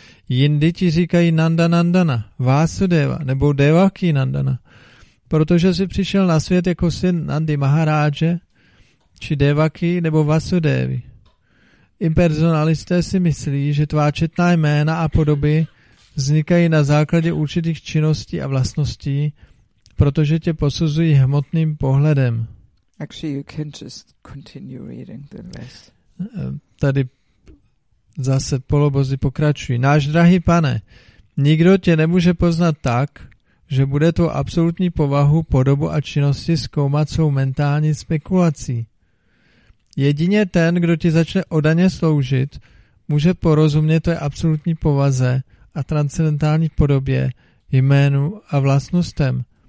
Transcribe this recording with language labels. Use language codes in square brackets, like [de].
[cs] Jindy ti říkají Nanda Nandana, Vasudeva nebo Devaki Nandana, protože jsi přišel na svět jako syn Nandi Maharáže, či Devaki nebo Vasudevi. Impersonalisté si myslí, že tvá četná jména a podoby vznikají na základě určitých činností a vlastností, protože tě posuzují hmotným pohledem. [en] Actually, you can just continue reading the rest. [cs] Tady zase polobozy pokračují. Náš drahý pane, nikdo tě nemůže poznat tak, že bude tvou absolutní povahu, podobu a činnosti zkoumat svou mentální spekulací. Jedině ten, kdo ti začne oddaně sloužit, může porozumět té absolutní povaze a transcendentální podobě, jménu a vlastnostem.